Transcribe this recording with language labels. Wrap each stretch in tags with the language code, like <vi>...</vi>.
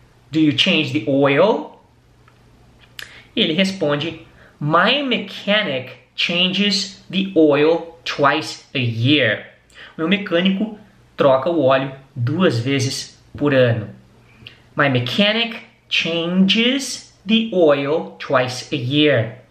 <en>Do you change the oil?</en> <pt>E ele responde:</pt> <en>My mechanic changes the oil twice a year.</en> <pt>Meu mecânico troca o óleo duas vezes por ano.</pt> <en>My mechanic changes the oil twice a year.</en>